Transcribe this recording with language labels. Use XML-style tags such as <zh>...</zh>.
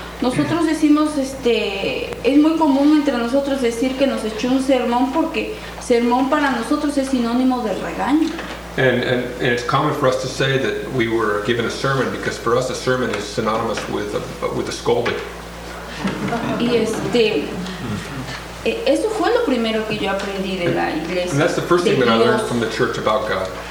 <es>Nosotros decimos, es muy común entre nosotros decir que nos echó un sermón porque sermón para nosotros es sinónimo de regaño.</es> <en>And it's common for us to say that we were given a sermon because for us a sermon is synonymous with a scolding.</en> <es>Y eso fue lo primero que yo aprendí de la iglesia.</es> <en>And that's the first thing that I learned from the church about God.</en>